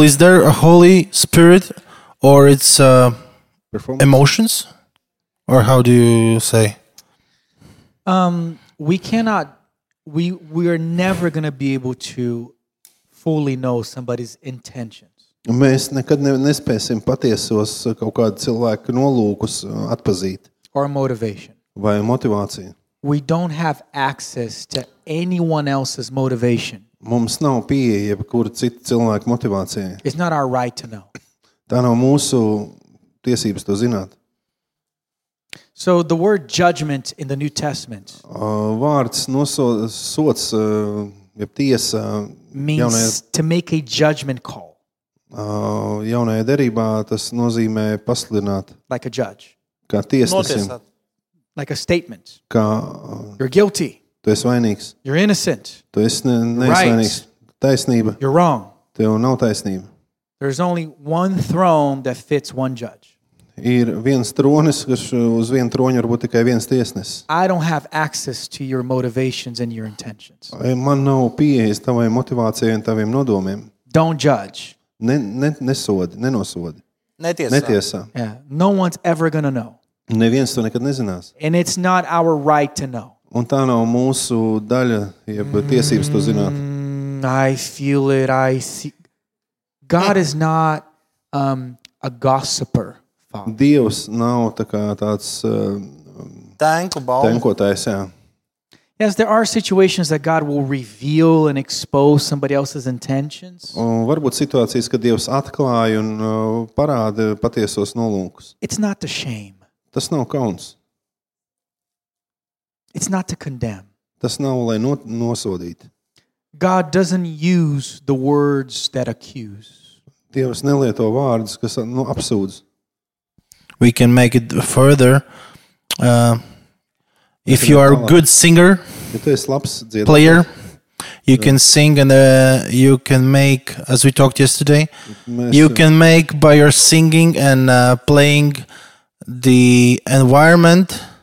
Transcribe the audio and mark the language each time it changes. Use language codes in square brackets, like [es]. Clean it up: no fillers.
[en] Is there a Holy Spirit or it's emotions? Or how do you say? We are never going to be able to fully know somebody's intentions. [lv] Mēs nekad nespēsim patiesos kaut kādu cilvēku nolūkus atpazīt. [en] Or motivation. [lv] Vai motivācija. [en] We don't have access to anyone else's motivation. [lv] Mums nav pieeja jebkura cita cilvēka motivācijai. [en] It's not our right to know. [lv] Tā nav mūsu tiesības to zināt. [en] So the word judgment in the New Testament. [lv] Vārds nosots jeb tiesa [en] means to make a judgment call. [lv] Jaunajā derībā tas nozīmē pasludināt. [en] Like a judge. [lv] Kā tiesnesim. [en] Like a statement. [lv] Kā [en] you're guilty. [lv] Tu esi vainīgs. [en] You're innocent. [lv] Tu esi neesvainīgs. Taisnība. [en] You're wrong. [lv] Tev nav taisnība. [en] There's only one throne that fits one judge. [lv] Ir viens tronis, kas uz vienu troņu varbūt tikai viens tiesnesis. [en] I don't have access to your motivations and your intentions. [lv] Man nav pieejas tavai motivācijai un taviem nodomiem. [en] Don't judge. [lv] Nesodi, nenosodi. Netiesā. [en] Yeah. No one's ever gonna know. [lv] Neviens to nekad nezinās. [en] And it's not our right to know. [lv] Un tā nav mūsu daļa, jeb tiesības to zināt. [en] I feel it, I see. God is not a gossiper. [lv] Dievs nav tā kā tāds tenkotājs, jā. [en] Yes, there are situations that God will reveal and expose somebody else's intentions. [lv] Un varbūt situācijas, kad Dievs atklāj un parāda patiesos nolūkus. [en] It's not to shame. [lv] Tas nav kauns. [en] It's not to condemn. [lv] Tas nav, lai nosodīt. [en] God doesn't use the words that accuse. [lv] Dievs nelieto vārdus, kas apsūdz. [en] We can make it further. If you are a good singer, player, you can sing and you can make, as we talked yesterday, you can make by your singing and playing the environment